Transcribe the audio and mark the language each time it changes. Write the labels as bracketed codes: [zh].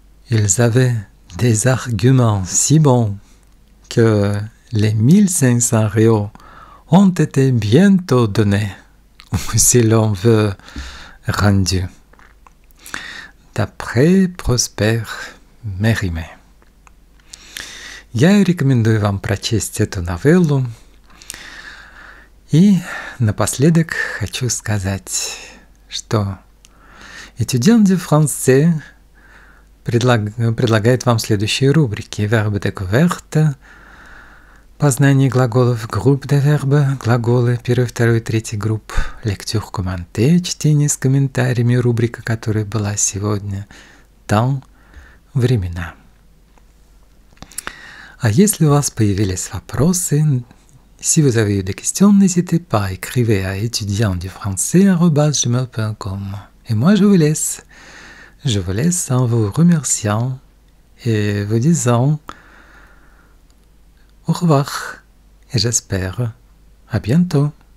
[fr] Ils avaient des arguments si bons que les 1500 réaux ont été bientôt donnés, si l'on veut, rendus, d'après Prosper Mérimée. [ru] Я рекомендую вам прочесть эту новеллу. И напоследок хочу сказать, что «Étudiant du français» предлагает вам следующие рубрики. [fr] «Verbe découverte» [ru] – познание глаголов, [fr] «Groupe de verbes» [ru] – глаголы, первый, второй, третий групп, [fr] «Lecture commentée» [ru] – чтение с комментариями, рубрика, которая была сегодня, там времена. А если у вас появились вопросы, [fr] si vous avez eu des questions, n'hésitez pas, écrivez à étudiantdufrançais@gmail.com. Et moi, je vous laisse. Je vous laisse en vous remerciant et vous disant au revoir. Et j'espère à bientôt.